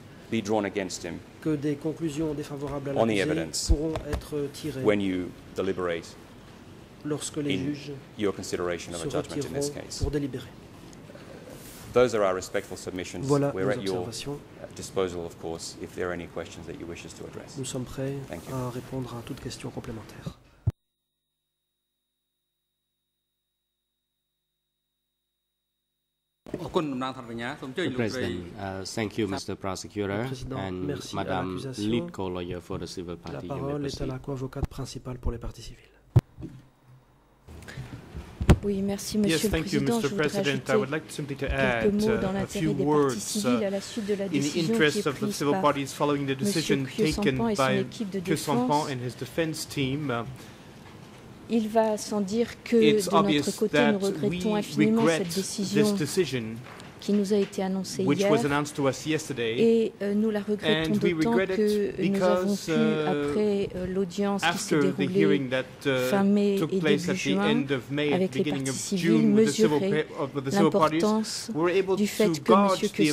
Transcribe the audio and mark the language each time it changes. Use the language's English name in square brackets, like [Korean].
[English] be drawn against him on the evidence when you deliberate in your consideration of a judgment in this case. Those are our respectful submissions. [French] Voilà. [English] We're at your disposal, of course, if there are any questions that you wish us to address. [French] Nous sommes prêts à répondre à toute question complémentaire. [English] The President, thank you, Mr. Prosecutor, and Madame Lead Co-Lawyer for the Civil Party. [French] La parole est à la co-avocate principale pour les parties civiles. Oui, merci, Monsieur le Président. [English] Yes, thank you, Mr. President. I would like simply to add a few words in the interest of the civil parties following the decision taken by Que Sampan and his defense team. [French] Il va sans dire que de notre côté, nous regrettons infiniment cette décision qui nous a été annoncée hier, et nous la regrettons d'autant que nous avons pu, après l'audience qui s'est déroulée fin mai et début juin, avec les parties civiles, mesurer l'importance du fait que M.